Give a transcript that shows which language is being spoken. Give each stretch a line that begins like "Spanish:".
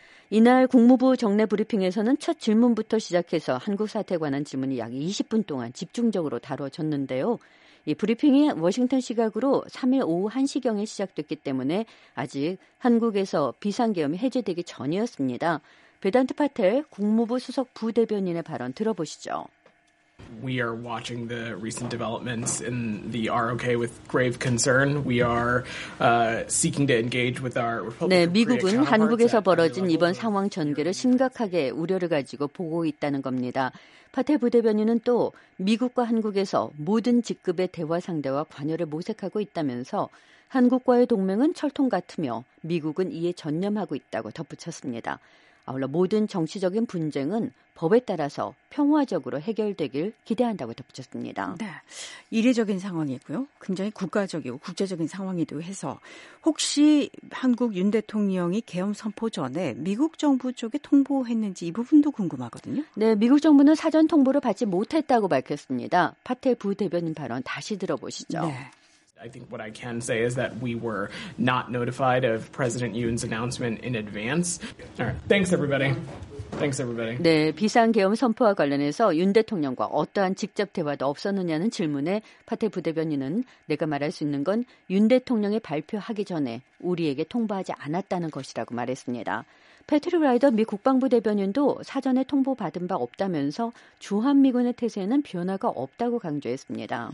Korean: 이날 국무부 정례 브리핑에서는 첫 질문부터 시작해서 한국 사태에 관한 질문이 약 20분 동안 집중적으로 다뤄졌는데요. 이 브리핑이 워싱턴 시각으로 3일 오후 1시경에 시작됐기 때문에 아직 한국에서 비상계엄이 해제되기 전이었습니다. 베단트 파텔 국무부 수석 부대변인의 발언 들어보시죠.
English: We are watching the recent developments in the ROK with grave concern. We are seeking to engage with our Republican.
Korean: 네, 미국은 한국에서 벌어진 이번 상황 전개를 심각하게 우려를 가지고 보고 있다는 겁니다. 파텔 부대변인은 또 미국과 한국에서 모든 직급의 대화 상대와 관여를 모색하고 있다면서 한국과의 동맹은 철통 같으며 미국은 이에 전념하고 있다고 덧붙였습니다. 아울러 모든 정치적인 분쟁은 법에 따라서 평화적으로 해결되길 기대한다고 덧붙였습니다. 네, 이례적인 상황이고요. 굉장히 국가적이고 국제적인 상황이기도 해서 혹시 한국 윤 대통령이 계엄 선포 전에 미국 정부 쪽에 통보했는지 이 부분도 궁금하거든요. 네, 미국 정부는 사전 통보를 받지 못했다고 밝혔습니다. 파텔 부대변인 발언 다시 들어보시죠. 네.
English: I think what I can say is that we were not notified of President Yoon's announcement in advance. All right, thanks everybody. Thanks everybody.
Korean: 네, 비상계엄 선포와 관련해서 윤 대통령과 어떠한 직접 대화도 없었느냐는 질문에 파텔 부대변인은 내가 말할 수 있는 건 윤 대통령이 발표하기 전에 우리에게 통보하지 않았다는 것이라고 말했습니다. 패트릭 라이더 미 국방부 대변인도 사전에 통보받은 바 없다면서 주한미군의 태세에는 변화가 없다고 강조했습니다.